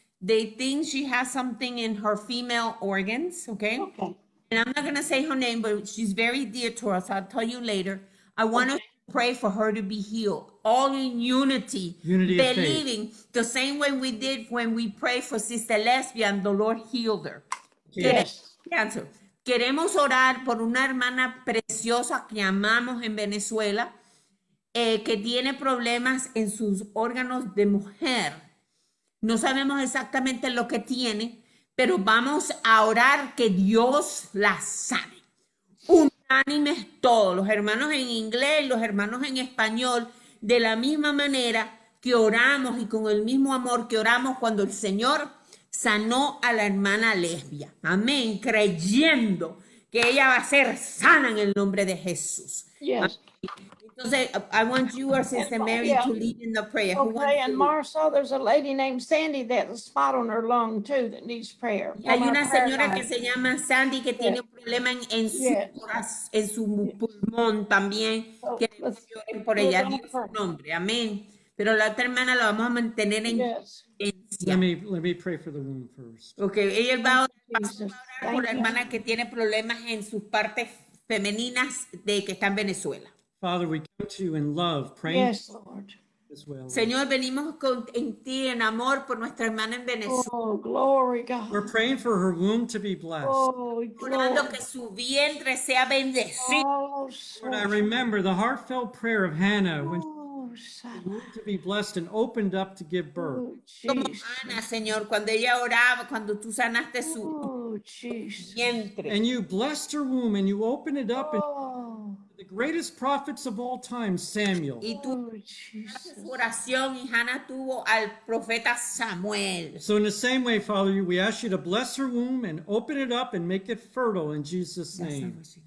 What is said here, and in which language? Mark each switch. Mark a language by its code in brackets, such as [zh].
[en] They think she has something in her female organs, okay? Okay. And I'm not going to say her name, but she's very dear to us. I'll tell you later. I want to pray for her to be healed, all in unity, believing faith. The same way we did when we prayed for Sister Lesbian, the Lord healed her. Yes. [es] Queremos orar por una hermana preciosa que amamos en Venezuela, que tiene problemas en sus órganos de mujer. No sabemos exactamente lo que tiene, pero vamos a orar que Dios la sane. Unánimes todos, los hermanos en inglés, los hermanos en español, de la misma manera que oramos y con el mismo amor que oramos cuando el Señor sanó a la hermana lesbia. Amén. Creyendo que ella va a ser sana en el nombre de Jesús. [en] Yes. Entonces, I want you or Sister Mary to lead in the prayer. Okay, who and Marcel, there's a lady named Sandy that has a spot on her lung too that needs prayer. [es] Hay una señora que se llama Sandy que tiene un problema en su pulmón también. So, que oren por ella. Dice su nombre. Amén. Pero la otra hermana la vamos a mantener en [en] let me pray for the womb first. [es] Okay, ella va a orar por la hermana que tiene problemas en sus partes femeninas de que está en Venezuela. [en] Father, we come to you in love, praying. Yes, Lord. As well. [es] Señor, venimos en ti en amor por nuestra hermana en Venezuela. [en] Oh, glory God. We're praying for her womb to be blessed. Oh, [es] orando que su vientre sea bendecido. Oh, [en] Lord, I remember the heartfelt prayer of Hannah when to be blessed and opened up to give birth. [es] Como Ana, Señor, cuando ella oraba, cuando tú sanaste su vientre. [en] And you blessed her womb and you opened it up. And the greatest prophets of all time, Samuel. [es] Y tu oración, y Hannah tuvo al profeta Samuel. [en] So in the same way, Father, we ask you to bless her womb and open it up and make it fertile in Jesus' name.